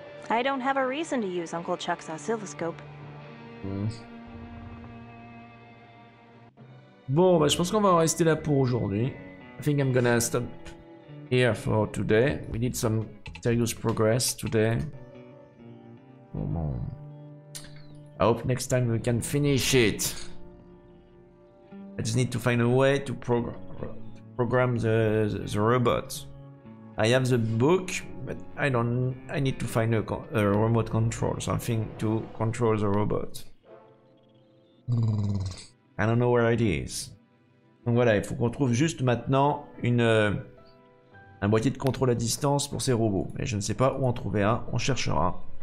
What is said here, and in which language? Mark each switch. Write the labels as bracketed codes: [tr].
[en] I don't have a reason to use Uncle Chuck's oscilloscope. [fr] Bon, bah, je pense qu'on va rester là pour aujourd'hui. [en] I think I'm gonna stop here for today. We need some serious progress today. Oh, bon. I hope next time we can finish it. I just need to find a way to program the robot. I have the book, but I need to find a remote control, something to control the robot. I don't know where it is. [fr] Donc voilà, il faut qu'on trouve juste maintenant un boîtier de contrôle à distance pour ces robots. Mais je ne sais pas où en trouver un, on cherchera.